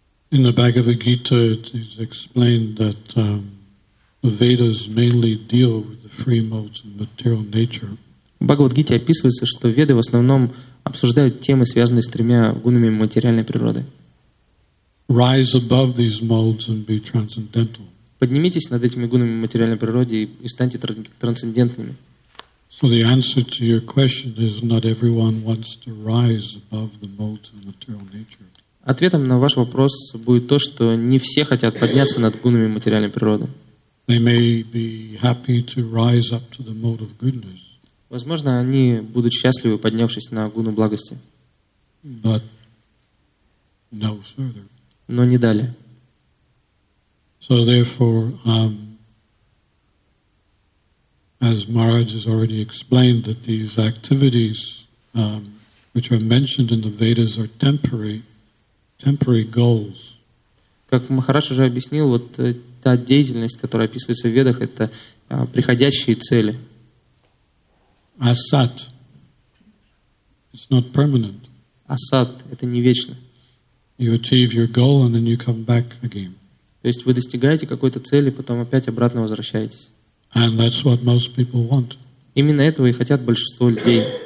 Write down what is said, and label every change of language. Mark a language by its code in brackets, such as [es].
[en] In the Bhagavad Gita, it is explained that the Vedas mainly deal with the three modes of material nature. [ru] В Бхагавад Гите описывается, что Веды в основном обсуждают темы, связанные с тремя гунами материальной природы. [en] Rise above these modes and be transcendental. [ru] Поднимитесь над этими гунами материальной природы и станьте трансцендентными. [en] So the answer to your question is not everyone wants to rise above the modes of material nature. [ru] Ответом на ваш вопрос будет то, что не все хотят подняться над гунами материальной природы. [en] They may be happy to rise up to the mode of goodness. [ru] Возможно, они будут счастливы, поднявшись на гуну благости. [en] But no further. [ru] Но не далее. [en] So therefore, as Maharaj has already explained, that these activities, which are mentioned in the Vedas, are temporary goals. [ru] Как Махарадж уже объяснил, вот та деятельность, которая описывается в Ведах, это приходящие цели. [en] Асат. It's not permanent. [ru] Асат — это не вечно. [en] You achieve your goal and then you come back again. [ru] То есть вы достигаете какой-то цели, потом опять обратно возвращаетесь. [en] And that's what most people want. [ru] Именно этого и хотят большинство людей.